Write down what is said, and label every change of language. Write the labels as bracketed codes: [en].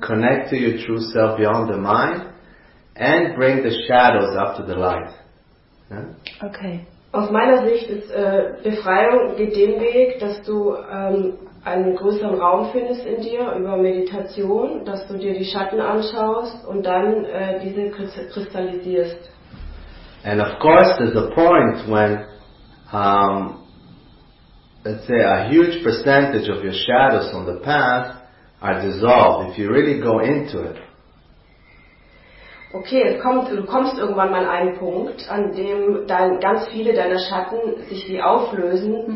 [en] connect to your true self beyond the mind, and bring the shadows up to the light. Yeah? Okay. [de] Aus meiner Sicht ist Befreiung geht den Weg, dass du einen größeren Raum findest in dir über Meditation, dass du dir die Schatten anschaust und dann diese kristallisierst. [en] And of course there's a point when let's say a huge percentage of your shadows from the past are dissolved if you really go into it. [de] Okay, du kommst irgendwann mal an einen Punkt, an dem dann ganz viele deiner Schatten sich wie auflösen, mm-hmm.